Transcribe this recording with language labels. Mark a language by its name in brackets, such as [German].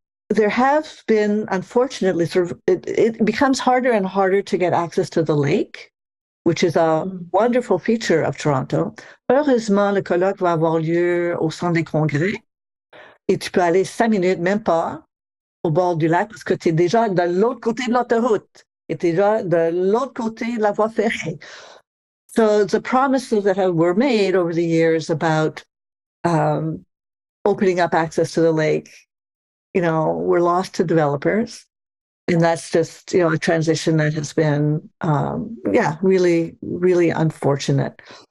[English] There have been, unfortunately, sort of, it becomes harder and harder to get access to the lake, which is a wonderful feature of Toronto. [French] Heureusement, le colloque va avoir lieu au Centre des Congrès. Et tu peux aller 5 minutes, même pas, au bord du lac, parce que tu es déjà de l'autre côté de l'autoroute. Et tu es déjà de l'autre côté de la voie ferrée. [English] So the promises that were made over the years about opening up access to the lake, you know, we're lost to developers. And that's just, you know, a transition that has been, really, really unfortunate.